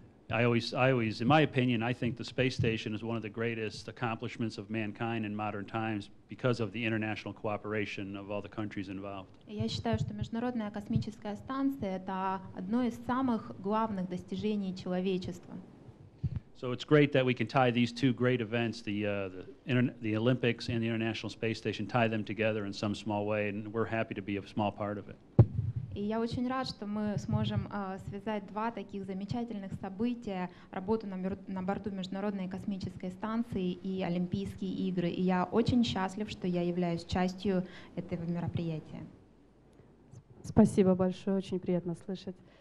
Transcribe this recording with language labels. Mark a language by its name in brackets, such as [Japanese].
[English] I always, in my opinion, I think the space station is one of the greatest accomplishments of mankind in modern times because of the international cooperation of all the countries involved. [Russian] Я считаю, что международная космическая станция это одно из самых главных достижений человечества. [English] So it's great that we can tie these two great events, the Olympics and the International Space Station, tie them together in some small way, and we're happy to be a small part of it. [Russian] И я очень рад, что мы сможем связать два таких замечательных события, работу на борту Международной космической станции и Олимпийские игры. И я очень счастлив, что я являюсь частью этого мероприятия. Спасибо большое, очень приятно слышать.